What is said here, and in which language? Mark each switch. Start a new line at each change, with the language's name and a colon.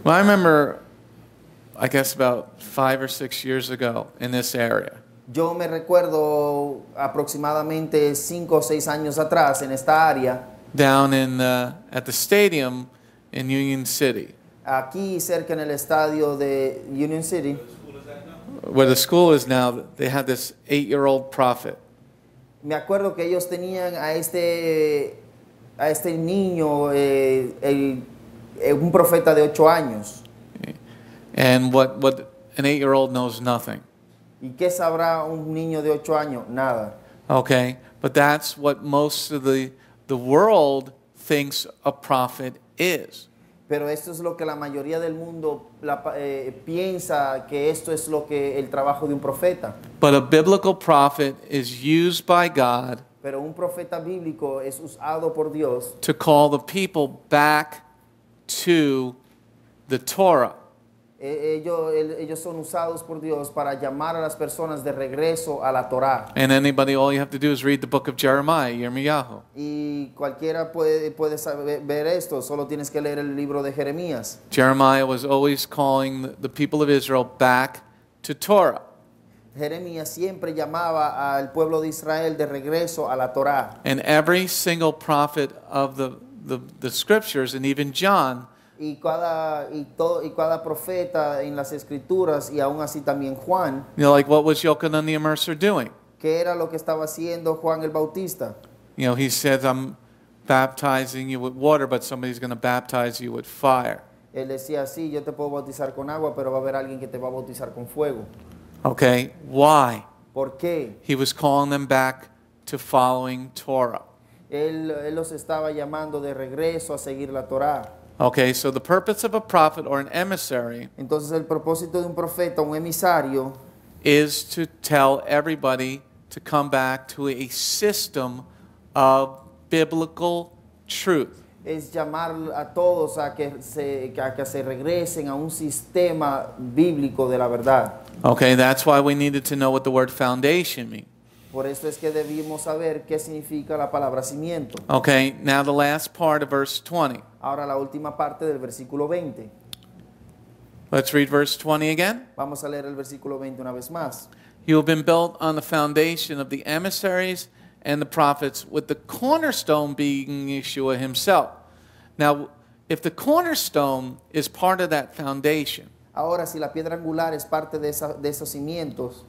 English: Well, I remember, I guess about 5 or 6 years ago in this area.
Spanish: Yo me recuerdo aproximadamente 5 o 6 años atrás en esta área.
English: Down in at the stadium in Union City.
Spanish: Aquí cerca en el estadio de Union City.
English: Where the school is now, they had this 8-year-old prophet.
Spanish: Me acuerdo que ellos tenían a este niño un profeta de 8 años.
English: And what an 8-year-old knows nothing.
Spanish: ¿Y qué sabrá un niño de 8 años? Nada.
English: Okay, but that's what most of the world thinks a prophet is.
Spanish: Pero esto es lo que la mayoría del mundo piensa que esto es lo que el trabajo de un profeta.
English: But a biblical prophet is used by God.
Spanish: Pero un profeta bíblico es usado por Dios.
English: To call the people back to the Torah.
Spanish: Ellos son usados por Dios para llamar a las personas de regreso a la Torá.
English: And anybody, all you have to do is read the book of Jeremiah, Yirmiyahu.
Spanish: Y cualquiera puede saber ver esto, solo tienes que leer el libro de Jeremías.
English: Jeremiah was always calling the people of Israel back to Torah.
Spanish: Jeremías siempre llamaba al pueblo de Israel de regreso a la Torá.
English: And every single prophet of the scriptures, and even John,
Spanish: y cada profeta en las escrituras y aún así también Juan.
English: You know, like what was Yochanan the Immerser doing?
Spanish: ¿Qué era lo que estaba haciendo Juan el Bautista?
English: You know, he said, I'm baptizing you with water, but somebody's going to baptize you with fire.
Spanish: Él decía, sí, yo te puedo bautizar con agua, pero va a haber alguien que te va a bautizar con fuego.
English: Okay, why?
Spanish: ¿Por qué?
English: He was calling them back to following Torah.
Spanish: Él los estaba llamando de regreso a seguir la Torá.
English: Okay, so the purpose of a prophet or an emissary.
Spanish: Entonces el propósito de un profeta, un emisario,
English: is to tell everybody to come back to a system of biblical truth.
Spanish: Es llamar a todos a que se regresen a un sistema bíblico de la verdad.
English: Okay, that's why we needed to know what the word foundation means.
Spanish: Por esto es que debimos saber qué significa la palabra cimiento.
English: Okay, now the last part of verse 20.
Spanish: Ahora la última parte del versículo 20.
English: Let's read verse 20 again.
Spanish: Vamos a leer el versículo 20 una vez más.
English: You have been built on the foundation of the emissaries and the prophets, with the cornerstone being Yeshua himself. Now, if the cornerstone is part of that foundation,
Spanish: ahora, si la piedra angular es parte de esos cimientos,